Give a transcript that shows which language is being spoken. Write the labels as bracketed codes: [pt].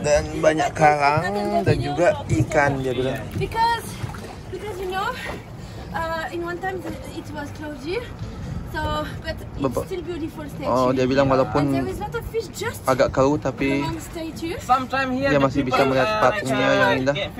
[id] Dan banyak karang dan juga ikan, dia bilang. [en] Because you know, in one time it was cloudy. but it's still beautiful statue. [id] Oh, dia bilang walaupun agak keruh tapi dia masih bisa melihat patungnya yang indah.